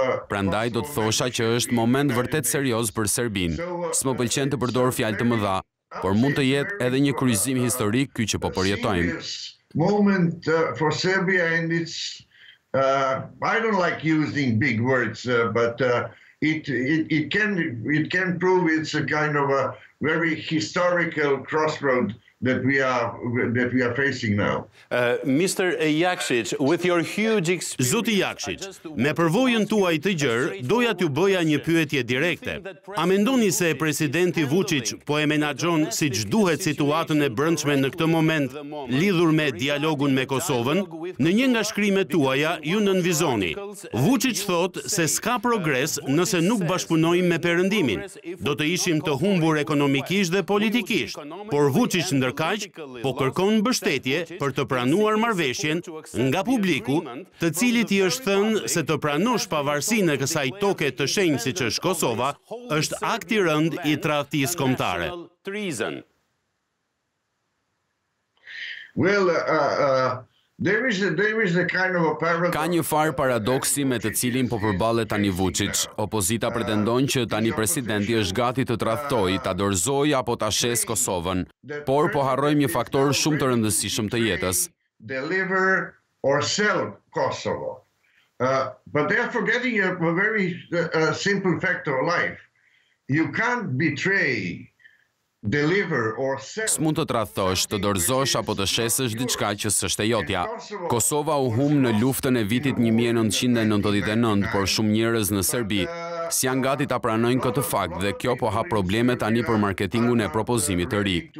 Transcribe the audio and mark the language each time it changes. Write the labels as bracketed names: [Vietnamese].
[Albanian] Prandaj do të thosha që është moment vërtet serioz për Serbinë. S'më pëlqen të përdor fjalë të mëdha, por mund të jetë edhe një kryqëzim historik ky që po përjetojmë. [English] Moment for Serbia, and it's I don't like using big words, but it can prove it's a kind of a very historical crossroad that we are facing now. Mr. Jakšić, with your huge experience. [Albanian] Zoti Jakšić, me përvojën tuaj të gjerë, doja t'ju bëja një pyetje direkte. A mendoni se presidenti Vučić po e menaxhon siç duhet situatën e brendshme në këtë moment lidhur me dialogun me Kosovën? Në një nga shkrimet tuaja ju nënvizoni. Vučić thotë se s'ka progres nëse nuk bashkëpunojmë me Perëndimin. Do të ishim të humbur ekonomikisht dhe politikisht. Por Vučić ndërkaq po kërkon mbështetje për të pranuar marrëveshjen nga publiku, të cilit i është thënë se të pranosh pavarësinë kësaj toke të shenjtë siç është Kosova, është akt i rënd i tradhtisë kombëtare. [English] Well, There is a kind of a paradox. [Albanian] Ka një farë paradoksi me të cilin po përballet tani Vučić. Opozita pretendon që tani presidenti është gati të tradhtojë, ta dorëzojë apo ta shesë Kosovën, por po harrojmë një faktor shumë të rëndësishëm të jetës. [English] Deliver or sell Kosovo. But they are forgetting a very simple fact of life. You can't betray. [Albanian] S'mund të tradhtosh, të dorëzosh apo të shesësh diçka që s'është jotja. Kosova u hum në luftën e vitit 1999, por shumë njerëz në Serbi s'janë gati ta pranojnë këtë fakt dhe kjo po hap probleme tani për marketingun e propozimit të ri.